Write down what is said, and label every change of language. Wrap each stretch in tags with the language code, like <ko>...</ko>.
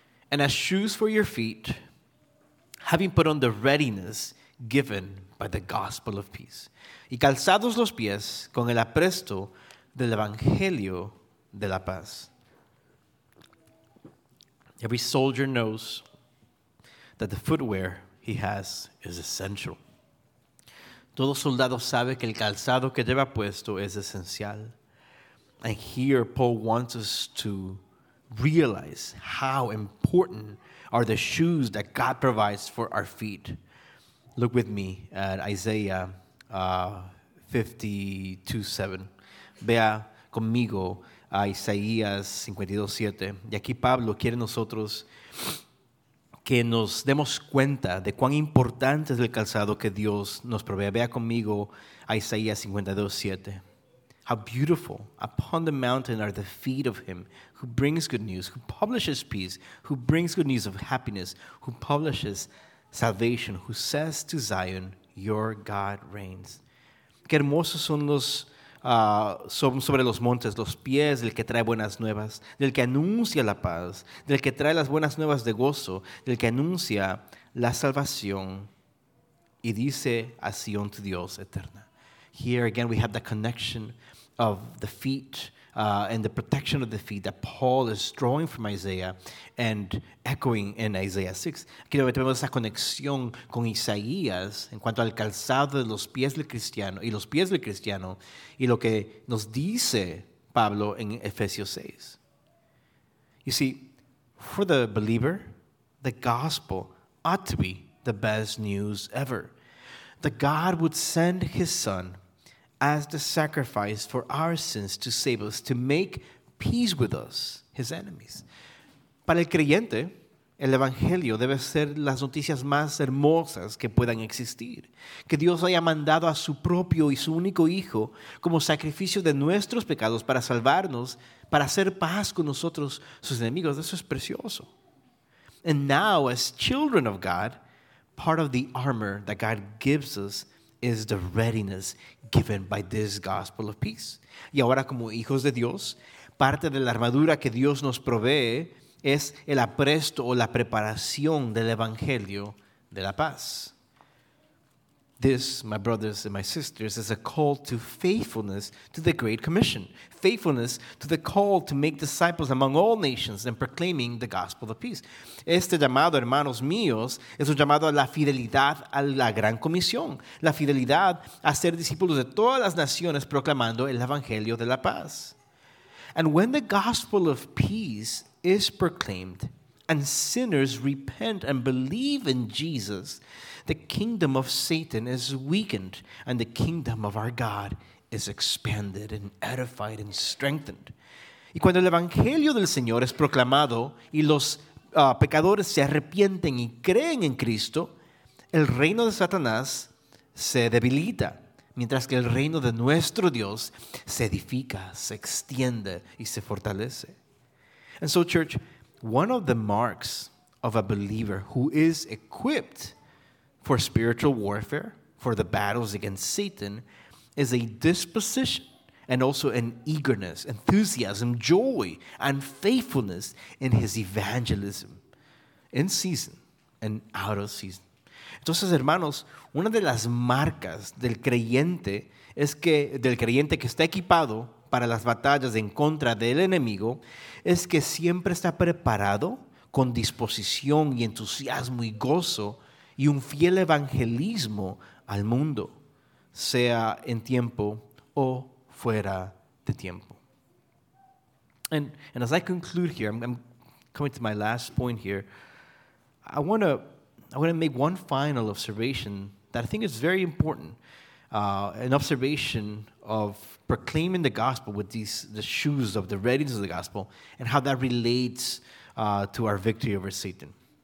<en>And as shoes for your feet, having put on the readiness given by the gospel of peace.</en> <es>Y calzados los pies con el apresto del evangelio de la paz.</es> <en>Every soldier knows that the footwear he has is essential.</en> <es>Todo soldado sabe que el calzado que lleva puesto es esencial.</es> <en>And here Paul wants us to realize how important are the shoes that God provides for our feet. Look with me at Isaiah 52:7.</en> <es>Vea conmigo a Isaías 52:7. Y aquí Pablo quiere nosotros que nos demos cuenta de cuán importante es el calzado que Dios nos provee. Vea conmigo a Isaías 52:7.</es> <en>How beautiful upon the mountain are the feet of him who brings good news, who publishes peace, who brings good news of happiness, who publishes salvation, who says to Zion, your God reigns.</en> <es>Qué hermosos son los sobre los montes, los pies del que trae buenas nuevas, del que anuncia la paz, del que trae las buenas nuevas de gozo, del que anuncia la salvación y dice a Sion tu Dios eterna.</es> <en>Here again we have the connection of the feet and the protection of the feet that Paul is drawing from Isaiah and echoing in Isaiah 6.</en> <es>Aquí tenemos esa conexión con Isaías en cuanto al calzado de los pies del cristiano y los pies del cristiano y lo que nos dice Pablo en Efesios 6.</es> <en>You see, for the believer, the gospel ought to be the best news ever. That God would send his son as the sacrifice for our sins to save us, to make peace with us, his enemies.</en> <es>Para el creyente, el evangelio debe ser las noticias más hermosas que puedan existir. Que Dios haya mandado a su propio y su único hijo como sacrificio de nuestros pecados para salvarnos, para hacer paz con nosotros, sus enemigos. Eso es precioso.</es> <en>And now, as children of God, part of the armor that God gives us is the readiness given by this gospel of peace.</en> <es>Y ahora como hijos de Dios, parte de la armadura que Dios nos provee es el apresto o la preparación del evangelio de la paz.</es> <en>This, my brothers and my sisters, is a call to faithfulness to the Great Commission. Faithfulness to the call to make disciples among all nations and proclaiming the gospel of peace.</en> <es>Este llamado, hermanos míos, es un llamado a la fidelidad a la Gran Comisión. La fidelidad a ser discípulos de todas las naciones proclamando el evangelio de la paz.</es> <en>And when the gospel of peace is proclaimed, and sinners repent and believe in Jesus, the kingdom of Satan is weakened, and the kingdom of our God is expanded and edified and strengthened.</en> <es>Y cuando el evangelio del Señor es proclamado y los pecadores se arrepienten y creen en Cristo, el reino de Satanás se debilita, mientras que el reino de nuestro Dios se edifica, se extiende y se fortalece.</es> <en>And so, church, one of the marks of a believer who is equipped for spiritual warfare, for the battles against Satan, is a disposition and also an eagerness, enthusiasm, joy, and faithfulness in his evangelism, in season and out of season.</en> <es>Entonces, hermanos, una de las marcas del creyente es que, del creyente que está equipado para las batallas en contra del enemigo, es que siempre está preparado con disposición y entusiasmo y gozo y un fiel evangelismo al mundo, sea en tiempo o fuera de tiempo.</es> <en>And as I conclude here, I'm coming to my last point here, I want to make one final observation that I think is very important, an observation of proclaiming the gospel with the shoes of the readiness of the gospel and how that relates to our victory over Satan.</en>